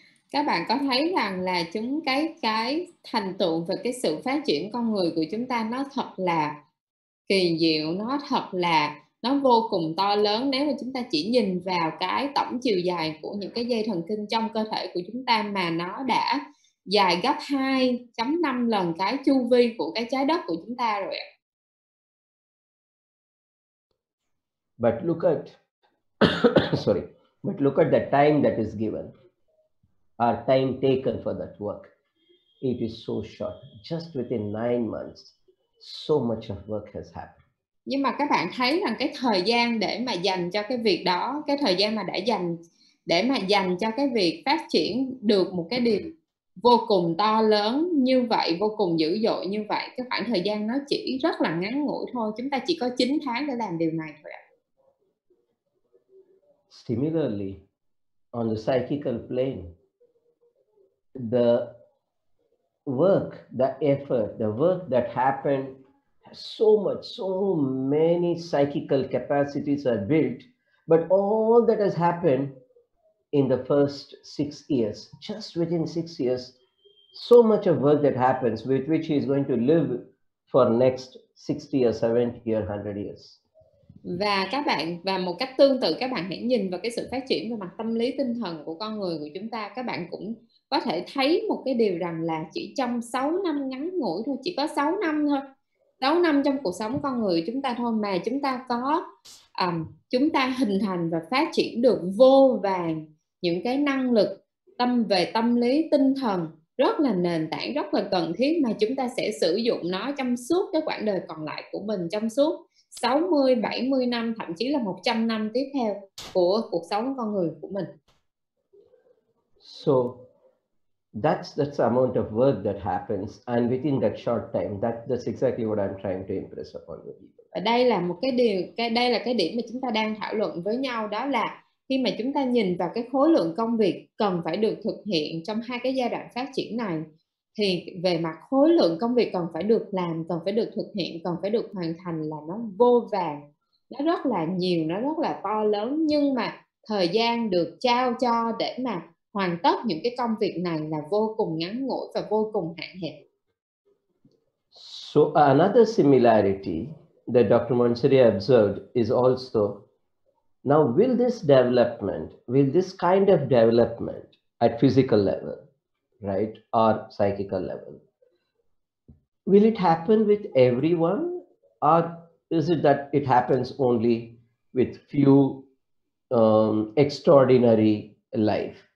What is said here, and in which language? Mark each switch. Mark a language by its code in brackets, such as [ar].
[vi] Các bạn có thấy rằng là chúng cái thành tựu và cái sự phát triển con người của chúng ta nó thật là kỳ diệu, nó thật là nó vô cùng to lớn. Nếu mà chúng ta chỉ nhìn vào cái tổng chiều dài của những cái dây thần kinh trong cơ thể của chúng ta mà nó đã dài gấp 2.5 lần cái chu vi của cái trái đất của chúng ta rồi ạ. [en] But look at the time that is given. Our time taken for that work, it is so short. Just within 9 months, so much of work has happened. [vi] Nhưng mà các bạn thấy rằng cái thời gian để mà dành cho cái việc đó, cái thời gian mà đã dành để mà dành cho cái việc phát triển được một cái điều vô cùng to lớn như vậy, vô cùng dữ dội như vậy, cái khoảng thời gian nó chỉ rất là ngắn ngủi thôi. Chúng ta chỉ có 9 tháng để làm điều này thôi ạ. [en] Similarly, on the psychical plane, the work, the effort, the work that happened, so many psychical capacities are built, but all that has happened in the first 6 years, just within 6 years, so much of work that happens with which he is going to live for next 60 or 70 or 100 years. [vi] Và các bạn, và một cách tương tự, các bạn hãy nhìn vào cái sự phát triển về mặt tâm lý tinh thần của con người của chúng ta. Các bạn cũng có thể thấy một cái điều rằng là chỉ trong 6 năm ngắn ngủi thôi, chỉ có 6 năm thôi, 6 năm trong cuộc sống con người chúng ta thôi mà chúng ta có chúng ta hình thành và phát triển được vô vàng những cái năng lực tâm về tâm lý tinh thần rất là nền tảng, rất là cần thiết, mà chúng ta sẽ sử dụng nó trong suốt cái quãng đời còn lại của mình, trong suốt 60, 70 năm, thậm chí là 100 năm tiếp theo của cuộc sống con người của mình. [en] So That's the amount of work that happens, and within that short time, that's exactly what I'm trying to impress upon you. [vi] Đây là một cái điều, đây là cái điểm mà chúng ta đang thảo luận với nhau, đó là khi mà chúng ta nhìn vào cái khối lượng công việc cần phải được thực hiện trong hai cái giai đoạn phát triển này, thì về mặt khối lượng công việc cần phải được làm, cần phải được thực hiện, cần phải được hoàn thành là nó vô vàn, nó rất là nhiều, nó rất là to lớn, nhưng mà thời gian được trao cho để mà hoàn tất những cái công việc này là vô cùng ngắn ngủi và vô cùng hạn hẹp. [en] So another similarity that Dr. Montessori observed is also, now will this development, will this kind of development at physical level, right, or psychical level, will it happen with everyone, or is it that it happens only with few extraordinary life?